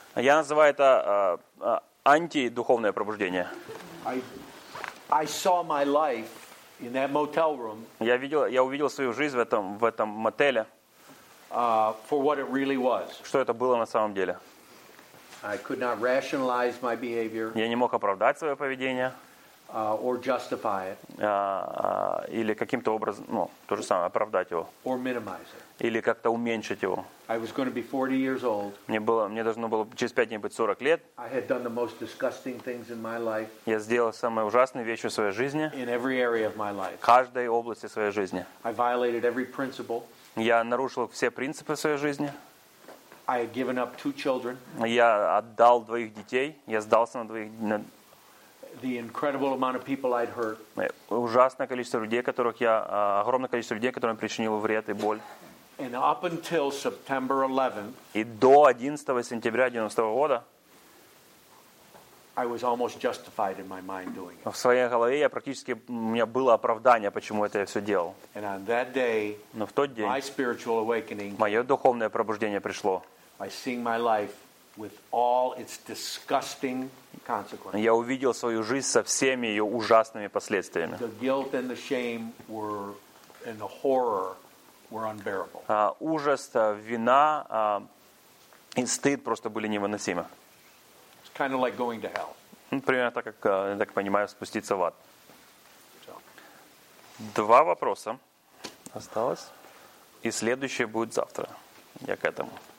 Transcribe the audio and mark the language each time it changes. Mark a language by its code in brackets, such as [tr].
[ru] Я называю это антидуховное пробуждение. [en] I saw my life in that motel room. [ru] Я увидел свою жизнь в этом мотеле. [en] For what it really was. [ru] Что это было на самом деле? [en] I could not rationalize my behavior. [ru] Я не мог оправдать свое поведение. [en] Or justify it. [ru] Или каким-то образом, ну, то же самое, оправдать его. [en] Or minimize it. [ru] Или как-то уменьшить его. [en] I was going to be 40 years old. [ru] Мне должно было через 5 дней быть 40 лет. [en] I had done the most disgusting things in my life. [ru] Я сделал самые ужасные вещи в своей жизни. [en] In every area of my life. [ru] В каждой области своей жизни. [en] I violated every principle. [ru] Я нарушил все принципы своей жизни. [en] I had given up 2 children. [ru] Я отдал двоих детей. Я сдался на двоих детей. [en] The incredible amount of people I'd hurt. [ru] Ужасное количество людей, которых я, огромное количество людей, которым причинил вред и боль. [en] And up until September 11th. [ru] И до 11 сентября 1990 года. [en] I was almost justified in my mind doing it. [ru] В своей голове я практически, у меня было оправдание, почему это я все делал. [en] And on that day. [ru] Но в тот день. [en] My spiritual awakening. [ru] Мое духовное пробуждение пришло. [en] By seeing my life. With all its disgusting consequences. [ru] Я увидел свою жизнь со всеми ее ужасными последствиями. [en] The guilt and the shame were, and the horror were unbearable. [ru] Ужас, вина, и стыд просто были невыносимы. [en] It's kind of like going to hell. [ru] Примерно так, как, я так понимаю, спуститься в ад. Два вопроса осталось, и следующее будет завтра. Я к этому.